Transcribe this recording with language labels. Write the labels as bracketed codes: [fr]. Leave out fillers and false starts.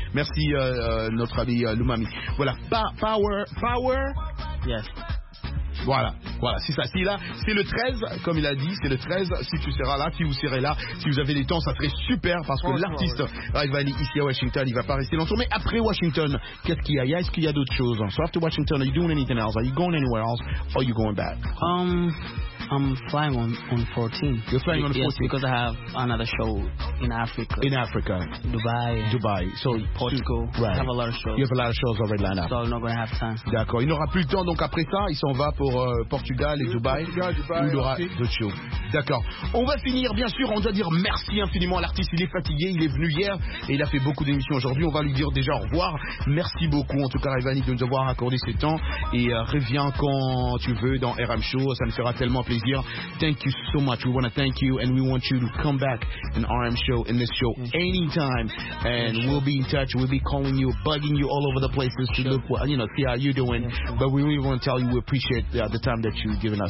[fr] Merci, notre ami Lumami. Voilà, Power. [en] Yes. [fr] Voilà, c'est ça. C'est le 13, comme il a dit, c'est le 13. Si tu seras là, si vous serez là, si vous avez des temps, ça serait super parce que l'artiste Revani, ici à Washington, il va pas rester longtemps. Mais après Washington, qu'est-ce qu'il y a? Est-ce qu'il y a d'autres choses? [en] So after Washington, are you doing anything else? Are you going anywhere else? Or are you going back? I'm flying on 14. You're flying on 14? Yes, because I have another show in Africa. In Africa. Dubai. So Portugal. Right. I have a lot of shows. You have a lot of shows already lined up. So I'm not going to have time. [fr] D'accord. Il n'aura plus le temps, donc après ça, il s'en va pour Portugal et Dubaï. Portugal, Dubaï. Il aura d'autres shows. D'accord. On va finir, bien sûr, on doit dire merci infiniment à l'artiste. Il est fatigué, il est venu hier et il a fait beaucoup d'émissions aujourd'hui. On va lui dire déjà au revoir. Merci beaucoup, en tout cas, Revani, de nous avoir accordé ce temps. Et reviens quand tu veux dans RM Show. Ça me fera tellement plaisir. [en] Thank you so much. We want to thank you and we want you to come back in RM Show, in this show, anytime. And we'll be in touch. We'll be calling you, bugging you all over the places to look, you know, see how you're doing. But we really want to tell you we appreciate the time that you've given us.